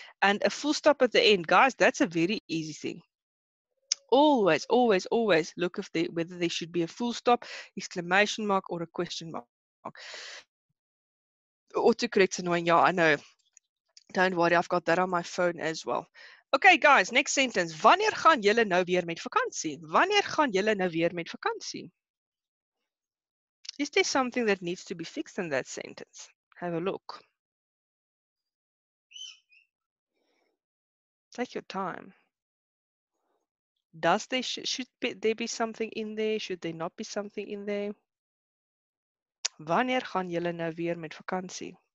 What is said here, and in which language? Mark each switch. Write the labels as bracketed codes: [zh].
[en] And a full stop at the end. Guys, that's a very easy thing. Always, always, always look if whether there should be a full stop, exclamation mark, or a question mark. Autocorrect's annoying. Yeah, I know. Don't worry, I've got that on my phone as well. Okay, guys, next sentence. [af] Wanneer gaan julle nou weer met vakantie? Wanneer gaan julle nou weer met vakantie? [en] Is there something that needs to be fixed in that sentence? Have a look. Take your time. Does there should there be something in there? Should there not be something in there? [af] Wanneer gaan julle nou weer met vakantie?